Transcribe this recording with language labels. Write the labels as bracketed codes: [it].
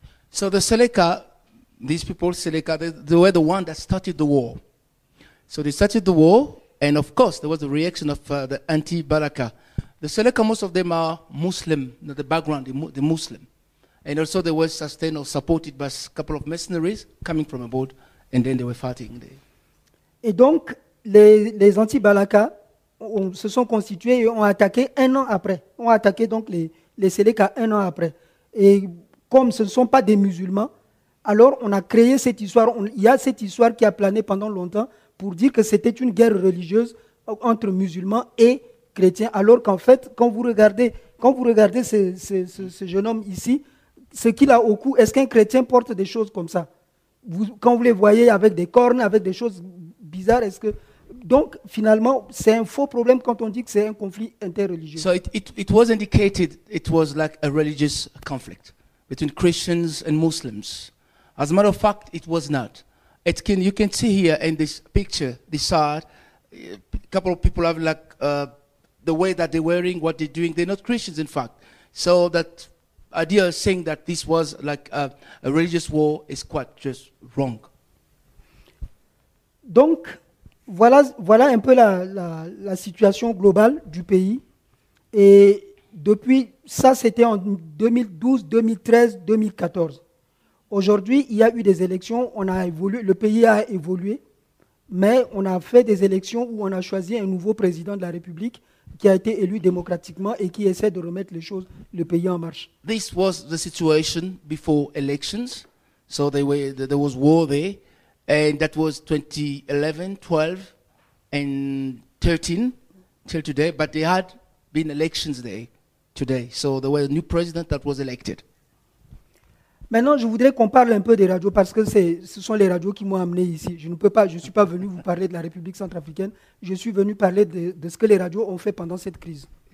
[en] So the Seleka, these people Seleka, they were the ones that started the war. So they started the war, and of course there was a reaction of the Anti-Balaka. The Seleka, most of them are Muslim, the background, they're Muslim. And also they were sustained or supported by a couple of mercenaries coming from abroad, and then they were fighting there. [fr] Et donc, les anti-Balaka se sont constitués et ont attaqué un an après. Ont attaqué donc les Séléka un an après. Et comme ce ne sont pas des musulmans, alors on a créé cette histoire. Il y a cette histoire qui a plané pendant longtemps pour dire que c'était une guerre religieuse entre musulmans et chrétiens. Alors qu'en fait, quand vous regardez ce jeune homme ici, ce qu'il a au cou, est-ce qu'un chrétien porte des choses comme ça? Quand vous les voyez avec des cornes, avec des choses bizarres, est-ce que... Donc, finalement, c'est un faux problème quand on dit que c'est un conflit interreligieux. [en] So it was indicated it was like a religious conflict between Christians and Muslims. As a matter of fact, it was not. You can see here in this picture, this side, a couple of people have like the way that they're wearing, what they're doing. They're not Christians, in fact. So that idea of saying that this was like a religious war is quite just wrong. [fr] Donc, voilà un peu la situation globale du pays. Et depuis, ça c'était en 2012, 2013, 2014. Aujourd'hui, il y a eu des élections, on a évolué, le pays a évolué, mais on a fait des élections où on a choisi un nouveau président de la République qui a été élu démocratiquement et qui essaie de remettre les choses, le pays en marche. [en] This was the situation before elections. So there was war there. And that was 2011, 12, and 13 till today. But there had been elections there today. So there was a new president that was elected. [fr] Maintenant, je voudrais qu'on parle un peu des radios parce que ce sont les radios qui m'ont amené ici. Je ne peux pas, je suis pas venu vous parler de la République centrafricaine. Je suis venu parler de ce que les radios ont fait pendant cette crise.